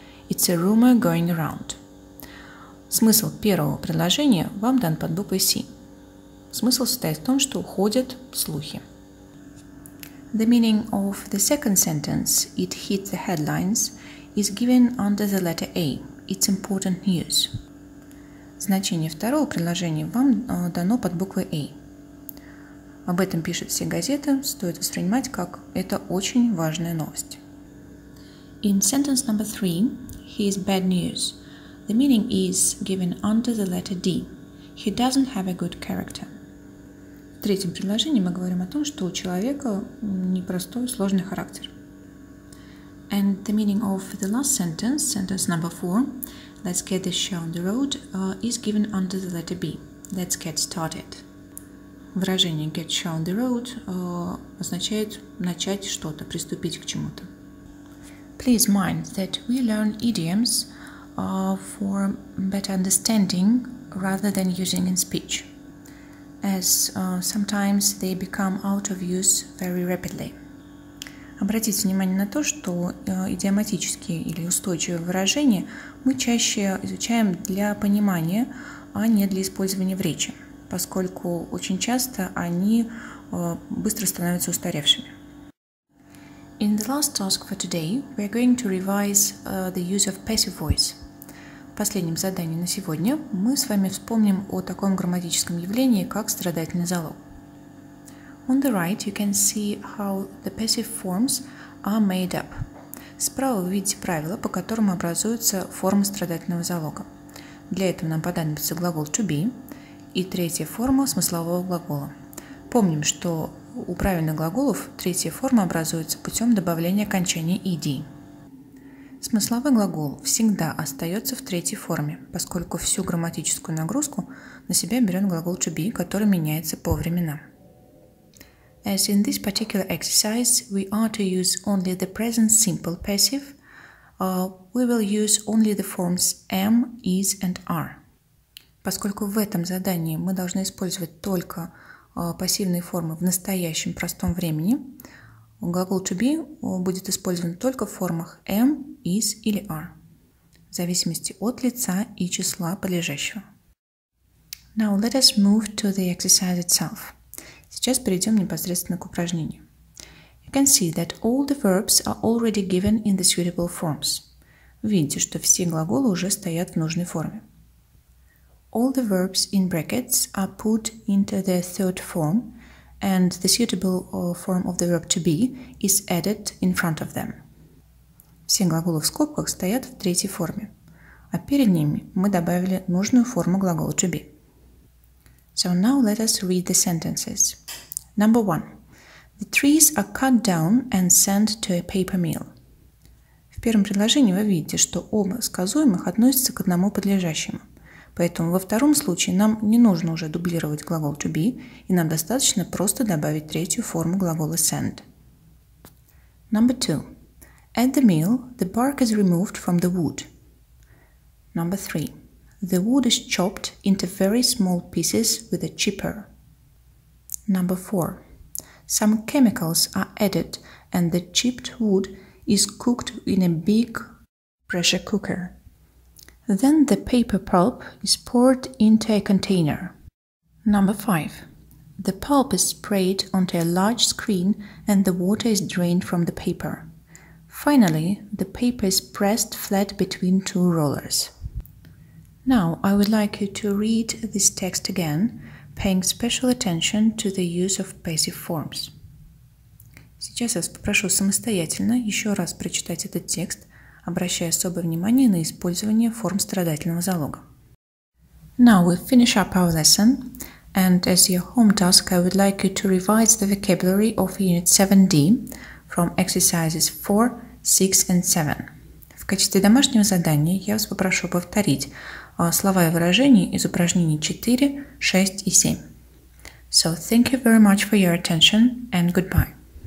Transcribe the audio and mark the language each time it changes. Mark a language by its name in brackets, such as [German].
[English] It's a rumor going around. [Russian] Смысл первого предложения вам дан под буквой C. Смысл состоит в том, что ходят слухи. [English] The meaning of the second sentence, it hit the headlines, is given under the letter A. It's important news. [Russian] Значение второго предложения вам дано под буквой A. Об этом пишут все газеты, стоит воспринимать как это очень важная новость. [English] In sentence number three, he is bad news. The meaning is given under the letter D. He doesn't have a good character. [Russian] В третьем предложении мы говорим о том, что у человека непростой, сложный характер. [English] And the meaning of the last sentence, sentence number four, let's get this show on the road, is given under the letter B. Let's get started. [Russian] Выражение [English] get show on the road [Russian] означает начать что-то, приступить к чему-то. [English] Please mind that we learn idioms for better understanding rather than using in speech, as sometimes they become out of use very rapidly. [Russian] Обратите внимание на то, что идиоматические или устойчивые выражения мы чаще изучаем для понимания, а не для использования в речи, поскольку очень часто они быстро становятся устаревшими. [English] In the last task for today, we are going to revise the use of passive voice. [Russian] В последнем задании на сегодня мы с вами вспомним о таком грамматическом явлении, как страдательный залог. [English] On the right you can see how the passive forms are made up. [Russian] Справа вы видите правила, по которым образуются формы страдательного залога. Для этого нам понадобится глагол to be и третья форма смыслового глагола. Помним, что у правильных глаголов третья форма образуется путем добавления окончания -ed. Смысловой глагол всегда остается в третьей форме, поскольку всю грамматическую нагрузку на себя берет глагол to be, который меняется по временам. [English] As in this particular exercise, we are to use only the present simple passive, we will use only the forms am, is and are. [Russian] Поскольку в этом задании мы должны использовать только пассивные формы в настоящем простом времени, глагол to be будет использован только в формах am, is или are, в зависимости от лица и числа подлежащего. [English] Now let us move to the exercise itself. [Russian] Сейчас перейдем непосредственно к упражнению. [English] You can see that all the verbs are already given in the suitable forms. [Russian] Видите, что все глаголы уже стоят в нужной форме. [English] All the verbs in brackets are put into the third form, and the suitable form of the verb to be is added in front of them. [Russian] Все глаголы в скобках стоят в третьей форме, а перед ними мы добавили нужную форму глагола to be. [English] So now let us read the sentences. Number one. The trees are cut down and sent to a paper mill. [Russian] В первом предложении вы видите, что оба сказуемых относятся к одному подлежащему. Поэтому во втором случае нам не нужно уже дублировать глагол to be, и нам достаточно просто добавить третью форму глагола send. [English] Number two. At the mill, the bark is removed from the wood. Number three. The wood is chopped into very small pieces with a chipper. Number four. Some chemicals are added and the chipped wood is cooked in a big pressure cooker. Then the paper pulp is poured into a container. Number five. The pulp is sprayed onto a large screen and the water is drained from the paper. Finally, the paper is pressed flat between two rollers. Now, I would like you to read this text again, paying special attention to the use of passive forms. [Russian] Сейчас я вас попрошу самостоятельно еще раз прочитать этот текст, обращая особое внимание на использование форм страдательного залога. [English] Now we finish up our lesson, and as your home task, I would like you to revise the vocabulary of Unit 7D from exercises 4, 6 and 7. [Russian] В качестве домашнего задания я вас попрошу повторить слова и выражения из упражнений 4, 6 и 7. [English] So thank you very much for your attention, and goodbye.